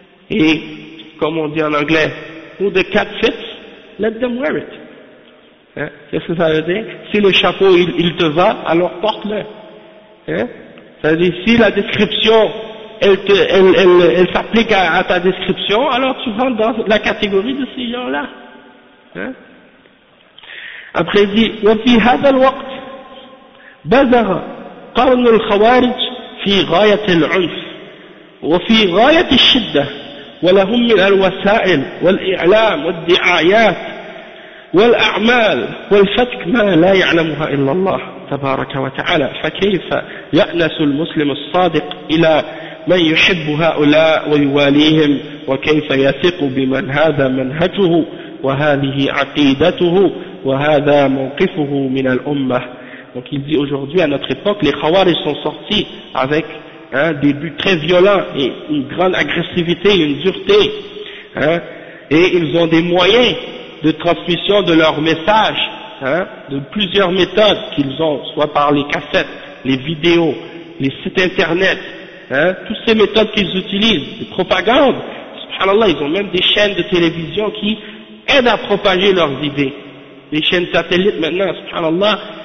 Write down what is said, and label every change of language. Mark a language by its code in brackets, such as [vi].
[fr] Et, comme on dit en anglais, [en] who the cat fits, let them wear it. [fr] Qu'est-ce que ça veut dire? Si le chapeau il te va, alors porte-le. Hein? Ça veut dire si la description elle s'applique à ta description, alors tu rentres dans la catégorie de ces gens-là. Hein? Après il dit, [ar] وفي هذا الوقت بذر قرن الخوارج في غاية العنف وفي غاية الشدة، ولهم من الوسائل والإعلام والدعايات والأعمال والفتك ما لا يعلمها إلا الله تبارك وتعالى، فكيف يأنس المسلم الصادق إلى من يحب هؤلاء ويواليهم، وكيف يثق بمن هذا منهجه وهذه عقيدته وهذا موقفه من الأمة. [fr] Donc il dit aujourd'hui à notre époque les khawaris sont sortis avec des buts très violents et une grande agressivité, une dureté, et ils ont des moyens de transmission de leur message, de plusieurs méthodes qu'ils ont, soit par les cassettes, les vidéos, les sites internet, toutes ces méthodes qu'ils utilisent, de propagande, subhanallah, ils ont même des chaînes de télévision qui aident à propager leurs idées, les chaînes satellites maintenant, subhanallah.